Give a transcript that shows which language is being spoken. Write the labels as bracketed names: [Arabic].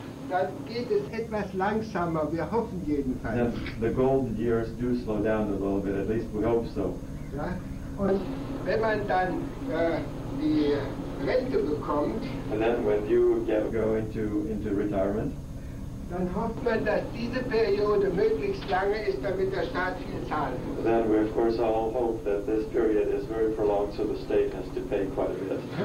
[German] Dann geht es etwas langsamer, wir hoffen jedenfalls. [English] And the golden years do slow down a little bit, at least we hope so. [German] Ja. Und wenn man dann die Rente bekommt. [English] And then when you go into retirement. [German] Dann hofft man, dass diese Periode möglichst lange ist, damit der Staat viel zahlen muss. [English] Then we of course all hope that this period is very prolonged, so the state has to pay quite a bit.